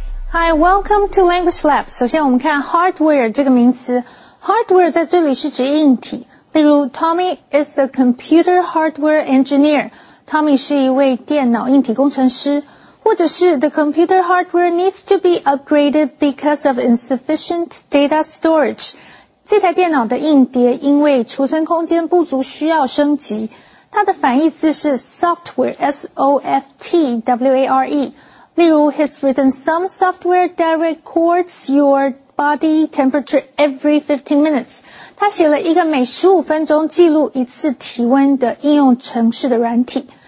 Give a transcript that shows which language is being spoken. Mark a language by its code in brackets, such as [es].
[en] Hi, welcome to Language Lab. [zh] 首先我们看 hardware 这个名词。 [en] Hardware [zh] 在这里是指硬体。例如 [en] Tommy is a computer hardware engineer. [zh] Tommy 是一位电脑硬体工程师。或者是 [en] the computer hardware needs to be upgraded because of insufficient data storage. [zh] 这台电脑的硬碟因为储存空间不足需要升级。它的反义词是 software, S-O-F-T-W-A-R-E。例如 [en] he's written some software that records your body temperature every 15 minutes. [zh] 他写了一个每15分钟记录一次体温的应用程式的软体。